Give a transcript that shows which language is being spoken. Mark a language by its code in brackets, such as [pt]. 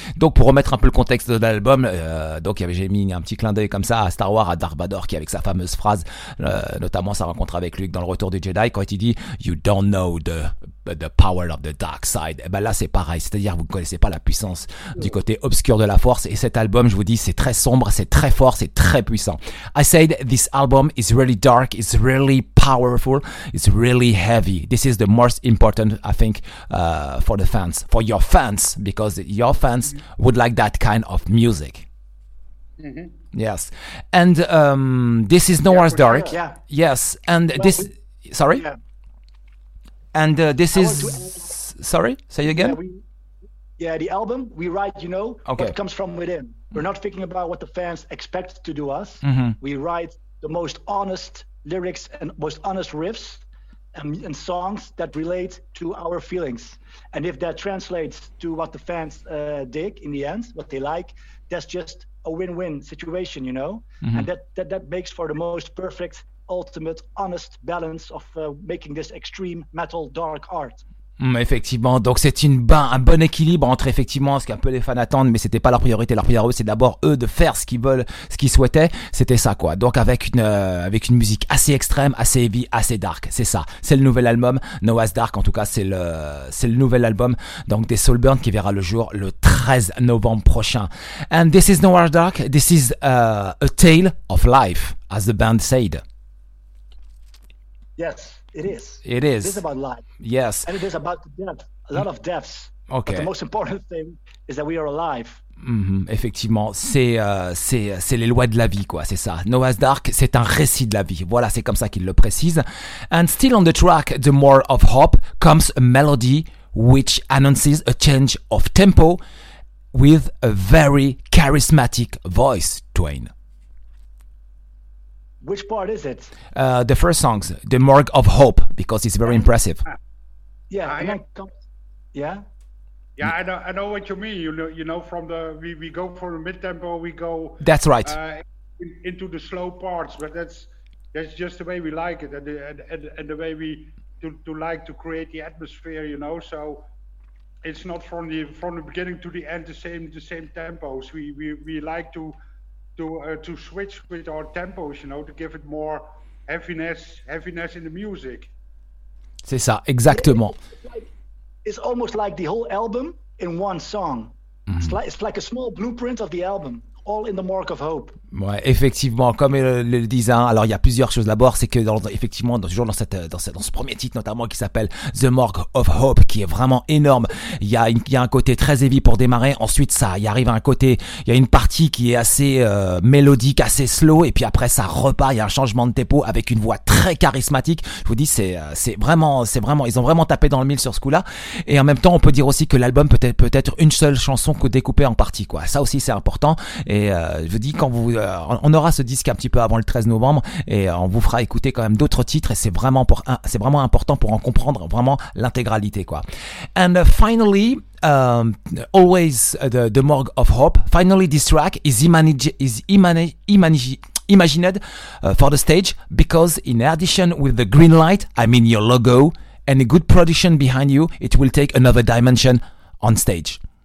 [fr] Donc, pour remettre un peu le contexte de l'album, donc j'ai mis un petit clin d'œil comme ça à Star Wars, à Darth Vader, qui avec sa fameuse phrase, notamment sa rencontre avec Luke dans le Retour du Jedi, quand il dit [en] "You don't know the power of the dark side." [fr] Et ben là, c'est pareil. C'est-à-dire, vous ne connaissez pas la puissance du côté obscur de la force. Et cet album, je vous dis, c'est très sombre, c'est très fort, c'est très puissant. [en] I said this album is really dark, it's really powerful, it's really heavy. This is the most important, I think, for the fans, for your fans, because your fans mm-hmm. would like that kind of music. Mm-hmm. Yes. And this is Noir's yeah, Dark. Sure. Yeah. Yes. And well, this... We, sorry? Yeah. And this I is... To, sorry? Say it again? Yeah, the album, we write, you know, okay. What comes from within. We're not thinking about what the fans expect to do us. Mm-hmm. We write the most honest lyrics and most honest riffs. And songs that relate to our feelings. And if that translates to what the fans dig in the end, what they like, that's just a win-win situation, you know? Mm-hmm. And that makes for the most perfect, ultimate, honest balance of making this extreme metal dark art. [fr] Effectivement, donc c'est un bon équilibre entre effectivement ce qu'un peu les fans attendent, mais c'était pas leur priorité. Leur priorité, c'est d'abord eux de faire ce qu'ils veulent, ce qu'ils souhaitaient. C'était ça, quoi. Donc avec une musique assez extrême, assez heavy, assez dark. C'est ça. C'est le nouvel album Noah's Dark. En tout cas, c'est le nouvel album donc des Soulburn qui verra le jour le 13 novembre prochain. [en] And this is Noah's Dark. This is a tale of life, as the band said. Yes. It is. It is. It is about life. Yes. And it is about death. A lot of deaths. Okay. But the most important thing is that we are alive. [fr] Mmh, effectivement, c'est les lois de la vie, quoi, c'est ça. Noah's Dark, c'est un récit de la vie. Voilà, c'est comme ça qu'il le précise. [en] And still on the track, The More of Hope, comes a melody which announces a change of tempo with a very charismatic voice, Twain. Which part is it? The first song, The Morgue of Hope, because it's very impressive. Yeah, I know what you mean. You know, from the we go from the mid-tempo, we go... That's right. Into the slow parts, but that's just the way we like it and the way we to like to create the atmosphere, you know? So it's not from the beginning to the end the same tempos. We like to switch with our tempos, you know, to give it more heaviness in the music. [fr] C'est ça, exactement. [en] It's almost like the whole album in one song. Mm-hmm. It's like a small blueprint of the album, all in the Mark of Hope. [fr] Ouais, effectivement, comme le disant, alors il y a plusieurs choses. D'abord, c'est que dans ce premier titre, notamment qui s'appelle The Morgue of Hope, qui est vraiment énorme. Il y a un côté très heavy pour démarrer. Ensuite, ça, il arrive à un côté, il y a une partie qui est assez mélodique, assez slow, et puis après ça repart. Il y a un changement de tempo avec une voix très charismatique. Je vous dis, c'est vraiment, ils ont vraiment tapé dans le mille sur ce coup-là. Et en même temps, on peut dire aussi que l'album peut-être une seule chanson découpée en parties, quoi. Ça aussi, c'est important. Et je vous dis, on aura ce disque un petit peu avant le 13 novembre et on vous fera écouter quand même d'autres titres et c'est vraiment important pour en comprendre vraiment l'intégralité quoi. [en] And finally, always the Morgue of Hope. Finally, this track is imagined for the stage because in addition with the green light, I mean your logo and a good production behind you, it will take another dimension on stage.